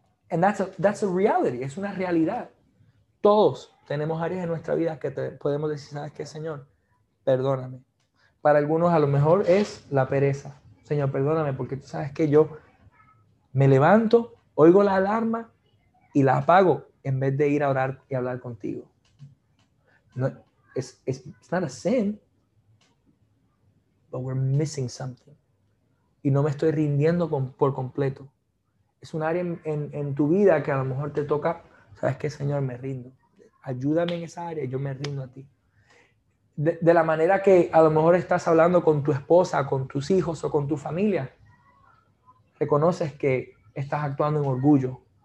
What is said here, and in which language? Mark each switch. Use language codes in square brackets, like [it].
[en] And that's a reality, [es] es una realidad. Todos tenemos áreas en nuestra vida que podemos decir, ¿sabes qué, Señor? Perdóname. Para algunos a lo mejor es la pereza. Señor, perdóname, porque tú sabes que yo me levanto, oigo la alarma y la apago en vez de ir a orar y hablar contigo. [en] No, it's not a sin, but we're missing something. [es] Y no me estoy rindiendo por completo. Es un área en tu vida que a lo mejor te toca, ¿sabes qué, Señor? Me rindo. Ayúdame en esa área, yo me rindo a ti. De la manera que a lo mejor estás hablando con tu esposa, con tus hijos o con tu familia, reconoces que estás actuando en orgullo.